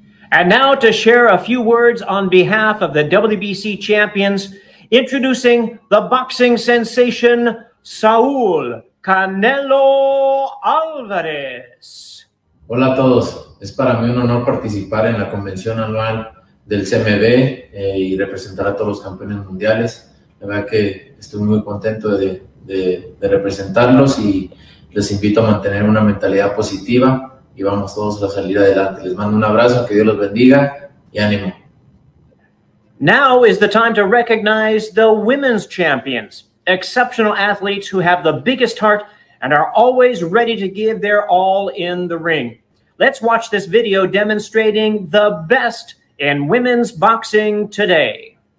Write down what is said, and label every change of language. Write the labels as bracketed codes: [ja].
[en] And now to share a few words on behalf of the WBC champions, introducing the boxing sensation, Saul Canelo Alvarez. [es] Hola a todos. Es para mí un honor participar en la convención anual del CMB y representar a todos los campeones mundiales. La verdad que estoy muy contento de representarlos y les invito a mantener una mentalidad positiva. Y vamos todos a salir adelante. Les mando un abrazo, que Dios los bendiga y ánimo. [en] Now is the time to recognize the women's champions, exceptional athletes who have the biggest heart and are always ready to give their all in the ring. Let's watch this video demonstrating the best in women's boxing today.